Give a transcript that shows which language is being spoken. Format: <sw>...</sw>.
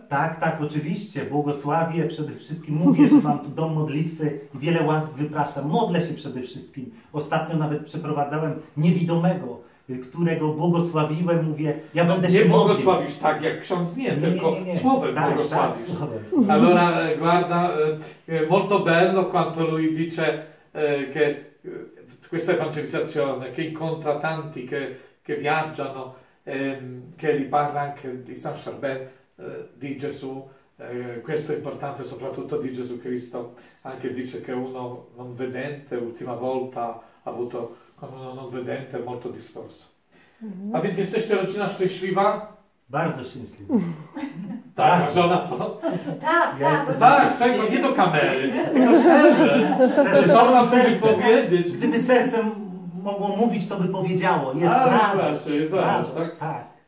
<pl>Tak, tak, oczywiście. Błogosławię, przede wszystkim mówię, że mam tu dom modlitwy i wiele łask wypraszam. Modlę się przede wszystkim. Ostatnio nawet przeprowadzałem niewidomego, którego błogosławiłem, mówię, ja będę nie się modlił. Nie błogosławisz tak, jak ksiądz, nie. Słowem tak, błogosławisz. Tak, słowem.</pl> <it>Allora, guarda, molto bello quanto lui dice che questa evangelizzazione, che incontra tanti che viaggiano, che li parla anche di San Charbel, di Gesù. Questo è importante, soprattutto di Gesù Cristo. Anche dice che uno non vedente, ultima volta, ha avuto con uno non vedente molto discorso.</it> <pl>Mm-hmm. A więc jesteście rodzina szczęśliwa? Bardzo szczęśliwa. Tak, bardzo. Żona co? Tak, tego, nie do kamery, tylko szczerze. Żona chce powiedzieć. Gdyby serce mogło mówić, to by powiedziało. Jest rano, tak?</pl>